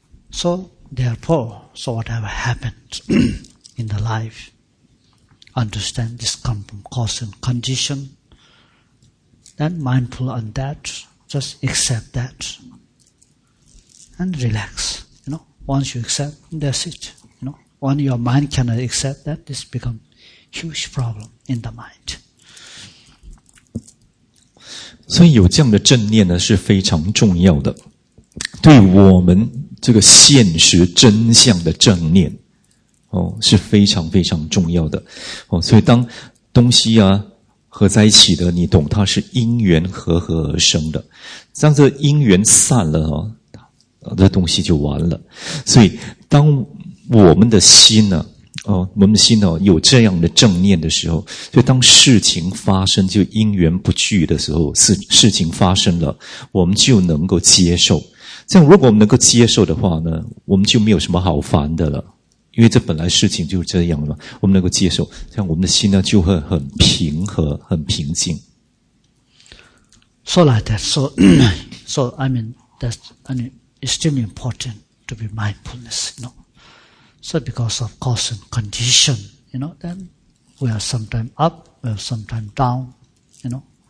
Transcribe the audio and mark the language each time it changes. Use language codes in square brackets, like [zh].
[en] So, therefore, so whatever happened in the life,understand this come from cause and condition, then mindful on that, just accept that, and relax, you know, once you accept, that's it, you know, when your mind cannot accept that, this become huge problem in the mind. [zh] 所以有这样的正念呢，是非常重要的，对我们这个现实真相的正念是非常非常重要的，所以当东西啊合在一起的，你懂它是因缘合而生的，当这因缘散了，这东西就完了。所以当我们的心呢、我们的心呢、有这样的正念的时候，所以当事情发生就因缘不聚的时候，事情发生了，我们就能够接受。这样如果我们能够接受的话呢，我们就没有什么好烦的了，因为这本来事情就是这样了，我们能够接受，这样我们的心呢就会很平和很平静。 [en] So like that, so, so I mean, that's extremely important to be mindfulness, you know. So because of cause and condition, you know, then we are sometimes up, we are sometimes down, you know.